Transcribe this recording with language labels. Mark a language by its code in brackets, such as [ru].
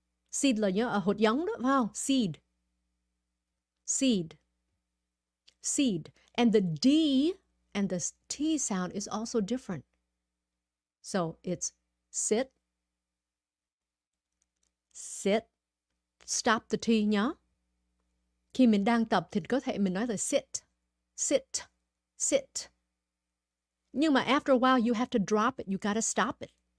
[vi] Seed là nhớ, hột giống đó, wow, seed. [en] Seed. Seed. And the D and the T sound is also different. So it's sit. Sit. Stop the T nhá. [vi] Khi mình đang tập thì có thể mình nói là sit. [en] Sit. Sit. [vi] Nhưng mà [en] after a while you have to drop it. You gotta stop it.